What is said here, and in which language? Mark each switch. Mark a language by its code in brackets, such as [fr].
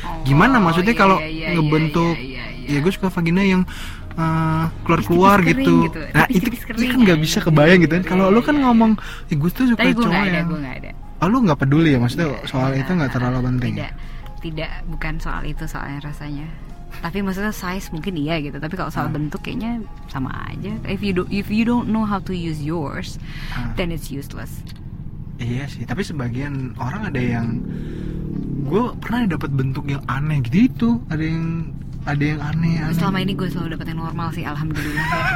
[id] Gimana maksudnya ngebentuk ya gue suka vagina yang keluar-keluar gitu. Nah itu kering, kan gak bisa kebayang gitu kan. Kalau lu kan ngomong gue tuh suka cowok yang lu gak peduli ya, maksudnya soal itu gak terlalu penting. Tidak, bukan soal itu soalnya rasanya. Tapi maksudnya size mungkin iya gitu, tapi kalau soal bentuk kayaknya sama aja. [en] If you don't know how to use yours, then it's useless. [id] Iya sih, tapi sebagian orang ada yang gue pernah dapat bentuk yang aneh gitu. Itu ada yang aneh. Selama ini gue selalu dapat yang normal sih, alhamdulillah.